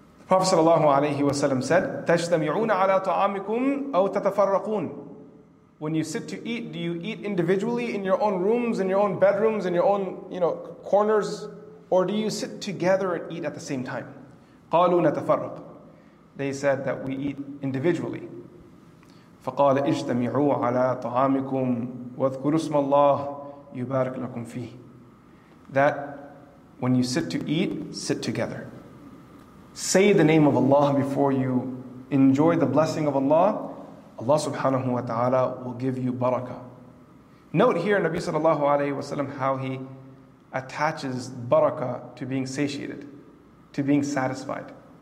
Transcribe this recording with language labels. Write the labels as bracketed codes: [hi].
[en] Prophet sallallahu alayhi wa sallam said, [ar] تَجْتَمِعُونَ عَلَىٰ تُعَامِكُمْ أَوْ تَتَفَرَّقُونَ [en] When you sit to eat, do you eat individually in your own rooms, in your own bedrooms, in your own corners? Or do you sit together and eat at the same time? [ar] قَالُوا نَتَفَرَّقُ [en] They said that we eat individually. [ar] فَقَالَ اِجْتَمِعُوا عَلَىٰ تُعَامِكُمْ وَذْكُرُوا اسْمَ اللَّهِ يُبَارِكْ لَكُمْ فِيهِ [en] That when you sit to eat, sit together. Say the name of Allah before you enjoy the blessing of Allah. Allah subhanahu wa ta'ala will give you barakah. Note here, Nabi sallallahu alayhi wa sallam, how he attaches barakah to being satiated, to being satisfied.